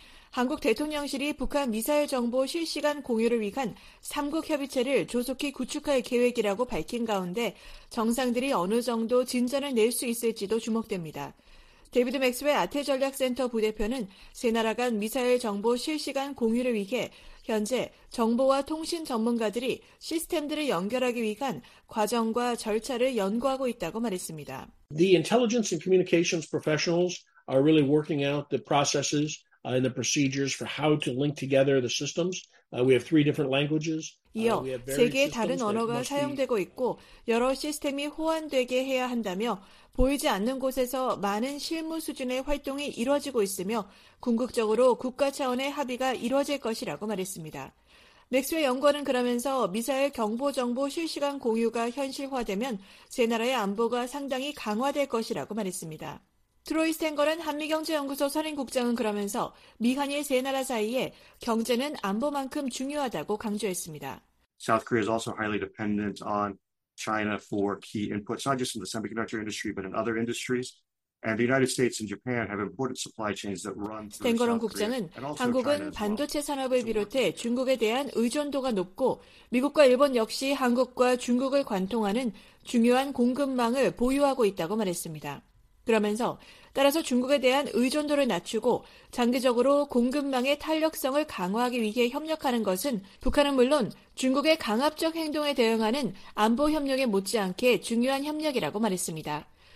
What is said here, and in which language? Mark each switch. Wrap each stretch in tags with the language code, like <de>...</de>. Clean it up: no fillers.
<ko>한국 대통령실이 북한 미사일 정보 실시간 공유를 위한 3국 협의체를 조속히 구축할 계획이라고 밝힌 가운데 정상들이 어느 정도 진전을 낼 수 있을지도 주목됩니다. 데이비드 맥스웰 아태전략센터 부대표는 세 나라 간 미사일 정보 실시간 공유를 위해 현재 정보와 통신 전문가들이 시스템들을 연결하기 위한 과정과 절차를 연구하고 있다고 말했습니다.</ko> <en>The intelligence and communications professionals are really working out the processes and the procedures for how to link together the systems. We have three different languages.</en> <ko>이어 세계의 다른 언어가 사용되고 있고 여러 시스템이 호환되게 해야 한다며 보이지 않는 곳에서 많은 실무 수준의 활동이 이루어지고 있으며 궁극적으로 국가 차원의 합의가 이루어질 것이라고 말했습니다. 맥스웰 연구원은 그러면서 미사일 경보 정보 실시간 공유가 현실화되면 세 나라의 안보가 상당히 강화될 것이라고 말했습니다. 트로이 스탱거란 한미경제연구소 선임국장은 그러면서 미한일 세 나라 사이에 경제는 안보만큼 중요하다고 강조했습니다.</ko> <en>South Korea is also highly dependent on China for key inputs, not just in the semiconductor industry, but in other industries. And the United States and Japan have important supply chains that run through South Korea.</en> <ko>국장은 한국은 반도체 산업을 비롯해 중국에 대한 의존도가 높고 미국과 일본 역시 한국과 중국을 관통하는 중요한 공급망을 보유하고 있다고 말했습니다. 그러면서 따라서 중국에 대한 의존도를 낮추고 장기적으로 공급망의 탄력성을 강화하기 위해 협력하는 것은 북한은 물론 중국의 강압적 행동에 대응하는 안보 협력에 못지않게 중요한 협력이라고 말했습니다.</ko>